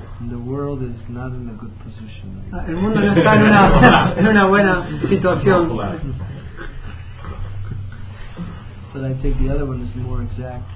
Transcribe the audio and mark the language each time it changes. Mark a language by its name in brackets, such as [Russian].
[English] The world is not in a good position. [Spanish] El mundo no está en una buena situación. [English] But I think the other one is more exact.